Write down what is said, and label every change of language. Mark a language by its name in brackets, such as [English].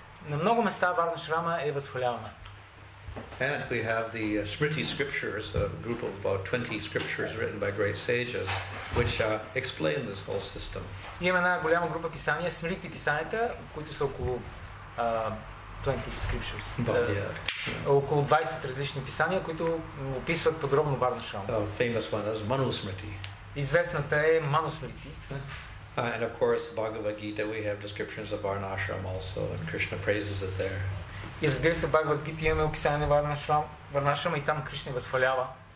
[Bulgarian] На много места варнашрама е възхвалявана. [English] And we have the Smriti scriptures, a group of about 20 scriptures written by great sages, which explain this whole system. [Bulgarian] Има една голяма група писания, Смрити писанията, които са около 20 scriptures. Около 20 различни писания, които описват подробно варнашрама. [English] The famous one is Manu Smriti. [Bulgarian] Известната е Manu Smriti. [English] And of course, Bhagavad Gita, we have descriptions of varnashram also, and Krishna praises it there. [Bulgarian] И разбира се, Бхагавад Гита имаме описание на варнашрама и там Кришна възхвалява.